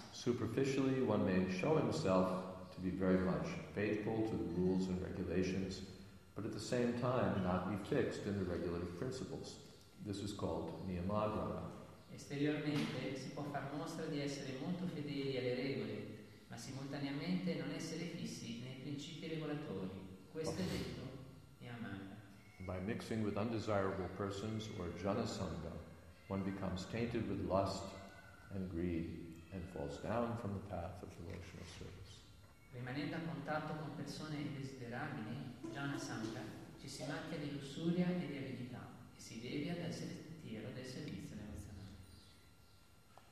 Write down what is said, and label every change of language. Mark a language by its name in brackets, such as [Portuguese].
[English] Superficially one may show himself to be very much faithful to the rules and regulations, but at the same time not be fixed in the regular principles. This is called niyamagraha. [Italian] Esteriormente si può far mostra di essere molto fedeli alle regole, ma simultaneamente non essere fissi nei principi regolatori. Questo è detto niyamagraha. [English] By mixing with undesirable persons or janasanga, one becomes tainted with lust and greed and falls down from the path of devotional service. [Italian] Rimanendo a contatto con persone indesiderabili, jhana sangha, ci si macchia di lussuria e di avidità e si devia dal sentiero del servizio devozionale.